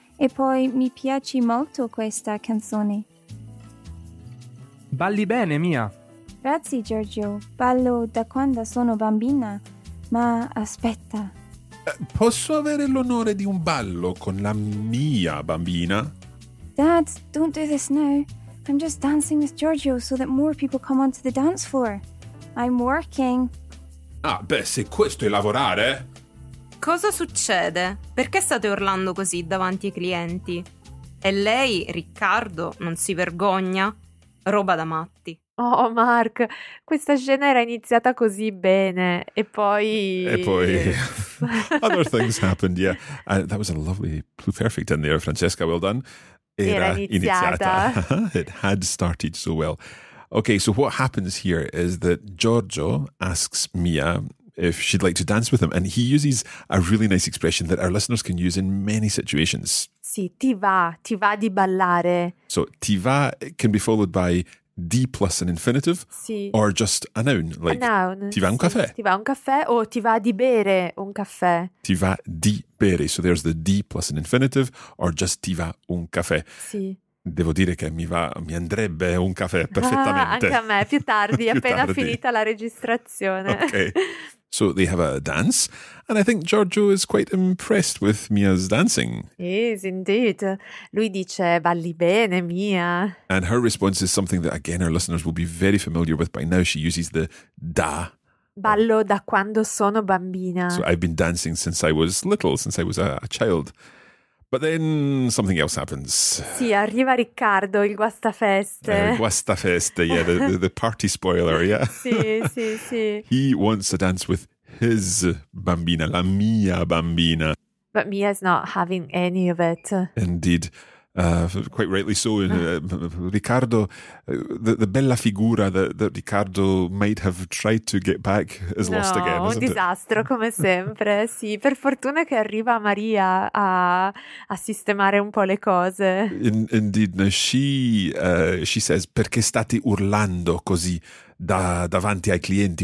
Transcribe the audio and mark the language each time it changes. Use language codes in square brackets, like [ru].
[it] E poi mi piace molto questa canzone. Balli bene, Mia. Grazie, Giorgio. Ballo da quando sono bambina. Ma aspetta. Posso avere l'onore di un ballo con la mia bambina? [en] Dad, don't do this now. I'm just dancing with Giorgio so that more people come onto the dance floor. I'm working. [it] Ah, beh, se questo è lavorare. Cosa succede? Perché state urlando così davanti ai clienti? E lei, Riccardo, non si vergogna? Roba da matti. Oh, Mark, questa scena era iniziata così bene. E poi... E poi... [en] Other things happened, yeah. That was a lovely blue perfect in there, Francesca, well done. [it] Era iniziata. [en] It had started so well. Okay, so what happens here is that Giorgio asks Mia if she'd like to dance with him, and he uses a really nice expression that our listeners can use in many situations. [it] Sì, ti va di ballare. [en] So ti va can be followed by D plus an infinitive, [it] sì. [en] Or just a noun, like a noun. [it] Ti va un caffè. Sì, ti va un caffè o ti va di bere un caffè. Ti va di bere. [en] So there's the D plus an infinitive or just [it] ti va un caffè. Sì. Devo dire che mi andrebbe un caffè perfettamente. Ah, anche a me, più tardi, più appena tardi. Finita la registrazione. Ok. [en] So they have a dance, and I think Giorgio is quite impressed with Mia's dancing. Yes, indeed. [it] Lui dice, balli bene, Mia. [en] And her response is something that, again, our listeners will be very familiar with by now. She uses the da. [it] Ballo da quando sono bambina. [en] So I've been dancing since I was little, since I was a child. But then something else happens. [it] Sì, arriva Riccardo, il guastafeste. [en] Guastafeste, yeah, the party spoiler, yeah. [it] Sì, sì, sì. [en] He wants to dance with his bambina, [it] la mia bambina. [en] But Mia's not having any of it. Indeed. Quite rightly so. Riccardo, the bella figura that Riccardo might have tried to get back is no, lost again, isn't [it] un disastro [en] it? [it] Come sempre. Sì, per fortuna che arriva Maria a sistemare un po' le cose. [en] Indeed, now she says, [it] perché state urlando così davanti ai clienti?